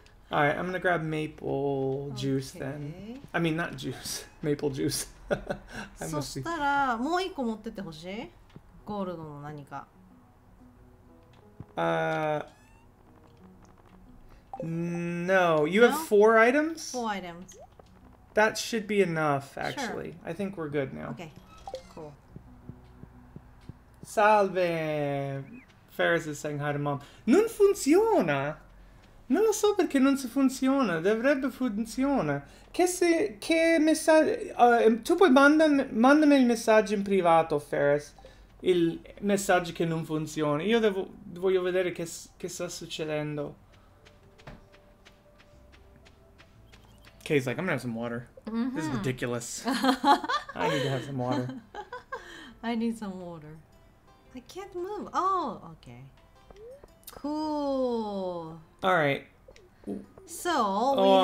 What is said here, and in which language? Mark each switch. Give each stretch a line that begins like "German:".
English: All right, I'm going to grab maple juice okay. then. I mean, not juice, maple juice.
Japanese: そしたらもう一個持ってってほしい。ゴールドの何か。
English: No, you have four items? Four items. That should be enough, actually. Sure. I think we're good now. Okay, cool.
Italian: Salve!
English: Ferris is saying hi to mom.
Italian: Non funziona! Non lo so perché non si funziona. Dovrebbe funziona. Che se... Che messaggio... tu puoi mandami il messaggio in privato, Ferris. Il messaggio che non funziona. Io devo... Voglio vedere che sta succedendo.
English: Kay's like, I'm gonna have some water. Mm-hmm. This is ridiculous. I need to have some water. I need some water. I can't move. Oh, okay. Cool. All right. So,